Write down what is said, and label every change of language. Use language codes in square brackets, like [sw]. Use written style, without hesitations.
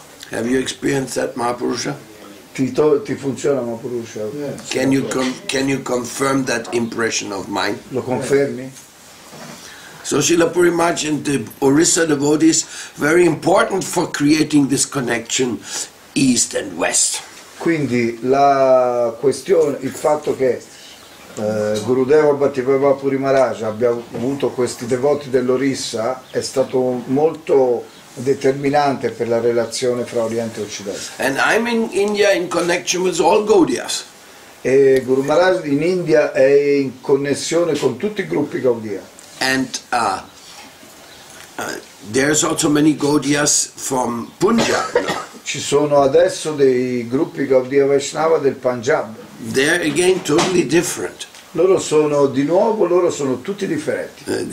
[en] Have you experienced that, Mahapurusha? [it] Ti funziona, Mahapurusha? [en] Yeah. Can you confirm that impression of mine? [it] Lo confermi? [en] So Srila Purimaji and the Orissa devotees very important for creating this connection east and west. [it] Quindi la questione, il fatto che Gurudeva Bhaktivedanta Purimaraj abbia avuto questi devoti dell'Orissa è stato molto determinante per la relazione fra Oriente e Occidente. [en] And I'm in India in connection with all Gaudias. [it] E Guru Maharaj in India è in connessione con tutti i gruppi Gaudia. [en] And there's also many Gaudias from Punjab. [it] Ci sono adesso dei gruppi Gaudia Vaishnava del Punjab. [en] They're again totally different. [it] Loro sono di nuovo, loro sono tutti differenti.